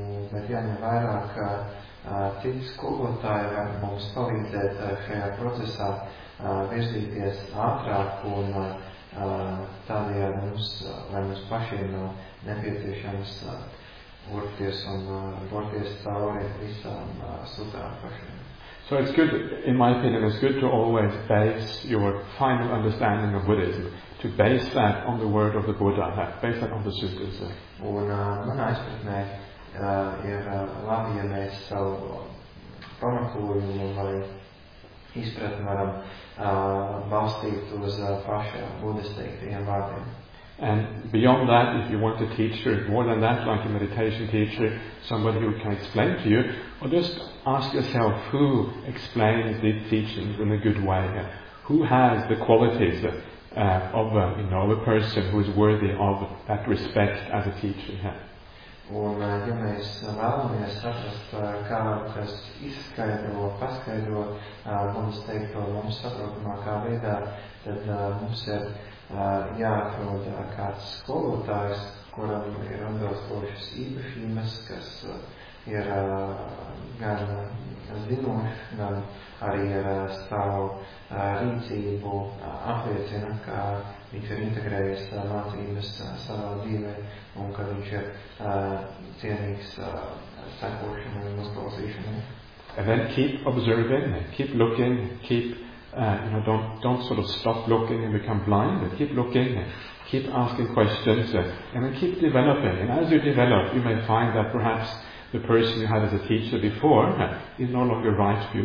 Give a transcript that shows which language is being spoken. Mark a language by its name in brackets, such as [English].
[Latvian] bet jāņem vairāk, ka citi skolotāji var mums palīdzēt šajā procesā virzīties ātrāk, un tādējādi mums, lai mums pašiem nepieciešams burties un burties cauri visām sutrām pašiem. [English] So it's good, in my opinion, it's good to always base your final understanding of Buddhism, to base that on the word of the Buddha, base that on the sutras. [Latvian] Un manā izpratnē ir labi, ja mēs savu pamatojumu vai izpratni varam balstīt uz pašiem buddhistiskajiem vārdiem. [English] And beyond that, if you want a teacher, more than that, like a meditation teacher, somebody who can explain to you, or just ask yourself, who explains these teachings in a good way? Who has the qualities of you know, a person who is worthy of that respect as a teacher? [Latvian] Un, ja mēs vēlamies saprast, kā kas izskaidro, paskaidro, mums teikt to mums saprotamākā veidā, tad mums ir jāatrod kāds skolotājs, kuram ir atbilstošas īpašības, kas ir gan zinoši, gan arī ar savu rīcību apliecina, ka viņš ir integrējis mācības savā dzīvē un ka viņš ir cienīgs sekošanai un uzklausīšanai. [English] And then keep observing, keep looking, keep you know, don't sort of stop looking and become blind, but keep looking, keep asking questions, and then keep developing. And as you develop, you may find that perhaps the person you had as a teacher before is no longer right for you.